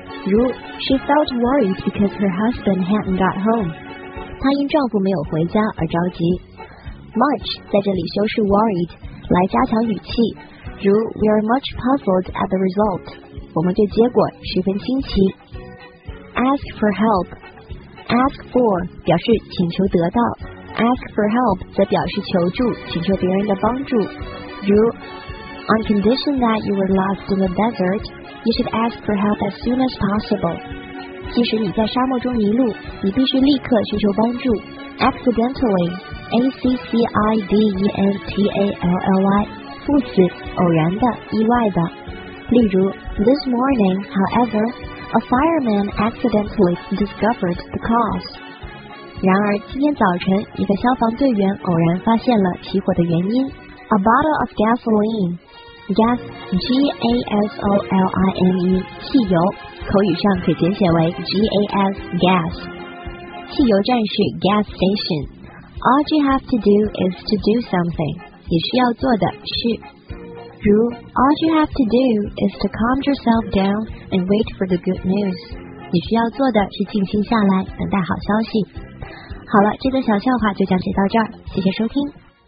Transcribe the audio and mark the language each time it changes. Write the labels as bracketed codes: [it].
[en] 如 She felt worried because her husband hadn't got home. [zh] 她因丈夫没有回家而着急。 [en] Much [zh] 在这里修饰 worried 来加强语气， [en] 如 We are much puzzled at the result. [zh] 我们对结果十分惊奇。 [en] Ask for help. [zh] Ask for 表示请求得到， Ask for help 则表示求助，请求别人的帮助。 [en] 如 On condition that you were lost in the desertYou should ask for help as soon as possible. [zh] 即使你在沙漠中迷路，你必须立刻寻求帮助。 Accidentally, A-C-C-I-D-E-N-T-A-L-L-Y, 不死，偶然的，意外的。 [en] 例如 This morning, however, a fireman accidentally discovered the cause. [zh] 然而，今天早晨，一个消防队员偶然发现了起火的原因。 [en] A bottle of gasoline. Gas, G-A-S-O-L-I-N-E, 汽油， [zh] 口语上可简写为 [en] G-A-S, gas. [zh] 汽油站是 gas station. [en] All you have to do is to do something. [zh] 你需要做的是。 [en] 如 All you have to do is to calm yourself down and wait for the good news. [zh] 你需要做的是静心下来，等待好消息。好了，这个小笑话就讲解到这儿，谢谢收听。